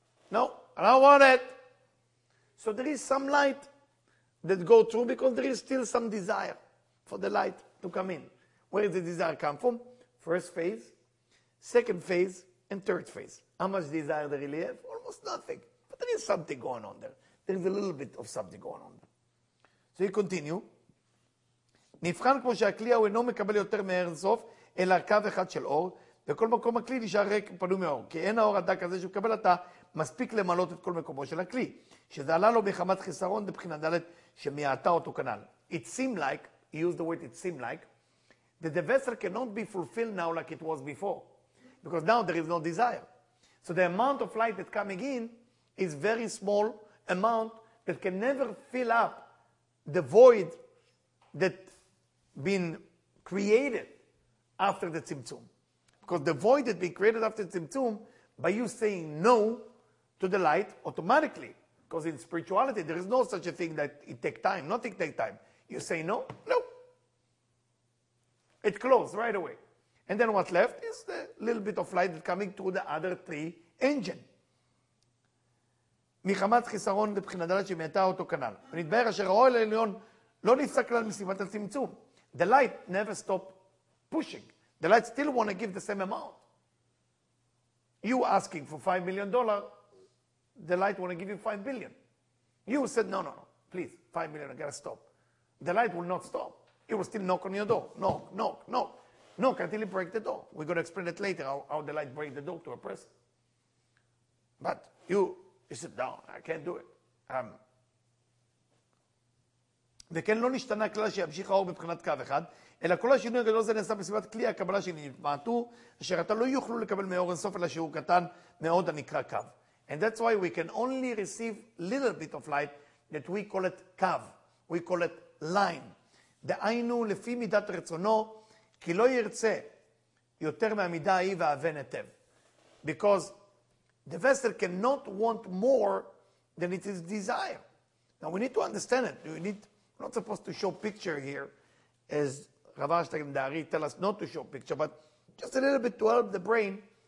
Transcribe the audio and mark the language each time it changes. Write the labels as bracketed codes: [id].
[en] No, I don't want it. So there is some light that go through because there is still some desire for the light to come in. Where does the desire come from? First phase, second phase, and third phase. How much desire do they really have? Almost nothing. But there is something going on there. There is a little bit of something going on. So you continue. [he] נבחן כמו שהכלי הוא אינו מקבל יותר מהרסוף, אלא קו אחד של אור, וכל מקום הכלי נשאר רק פנוי מאור. כי אין האור הדק הזה שמקבל אתה מספיק למלות את כל מקומו של הכלי. שזה עלה לו מחמת חיסרון, בבחינה דלת שמעטה אותו כנל. [en] It seemed like, he used the word it seemed like, that the vessel cannot be fulfilled now like it was before. Because now there is no desire. So the amount of light that coming in is very small amount that can never fill up the void that been created after the Tzimtzum. Because the void that been created after the Tzimtzum, by you saying no to the light automatically, because in spirituality there is no such a thing that it take time, nothing take time. You say no, no. It closed right away. And then what's left is the little bit of light coming through the other three engine. [he] מחמת חיסרון לבחינת דלת שמעטה אותו כנל. ונתבהר אשר האוהל העליון לא נפסק כלל מסיבת הצמצום. [en] The light never stop pushing. The light still want to give the same amount. You asking for $5 million, the light want to give you $5 billion. You said, no, no, no, please, $5 million, I got to stop. The light will not stop. It will still knock on your door. Knock, knock, knock. Knock until it breaks the door. We're going to explain it later, how the light breaks the door to a person. But you sit down. I can't do it. [he] וכן לא נשתנה כלל שימשיך האור בבחינת קו אחד, אלא כל השינוי הגדול זה נעשה בסביבת כלי הקבלה שנתמעטו, אשר אתה לא יוכלו לקבל מאור אינסוף, אלא שהוא קטן מאוד הנקרא קו. [en] And that's why we can only receive little bit of light that we call it קו. We call it line. [he] דהיינו לפי מידת רצונו, כי לא ירצה יותר מהמידה ההיא והבן היטב. [en] Because the vessel cannot want more than it is desire. Now we need to understand it. We're not supposed to show picture here, as Rav Ashtag and Dari tell us not to show picture, but just a little bit to help the brain.